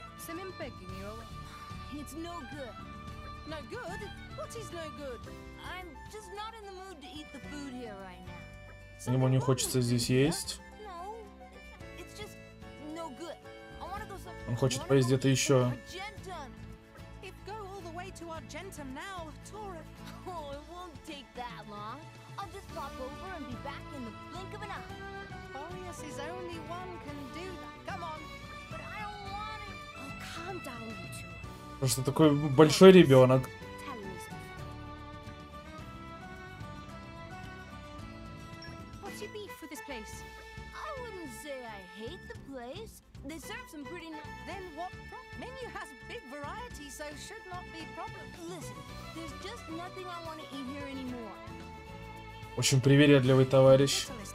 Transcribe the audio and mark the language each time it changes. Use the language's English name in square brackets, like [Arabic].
[English] some impacting you away. It's no good. No good? What is no good? I'm just not in the mood to eat the food here right now. [Russian] Ему не хочется здесь есть. [English] No. It's just no good. I wanna go somewhere. [Russian] Он хочет поесть где-то еще. [English] If go all the way to Argentum now, Tora. Oh, it won't take that long. I'll just pop over and be back in the blink of an eye. Boreas is only one can do that. Come on. But I don't want it. Oh, calm down, you two. [Russian] Потому что такой большой ребенок. [English] What's your beef with this place? I wouldn't say I hate the place. They serve some pretty nice. Then what menu has big variety, so should not be problem. Listen, there's just nothing I want to eat here anymore. [Russian] Очень привередливый товарищ.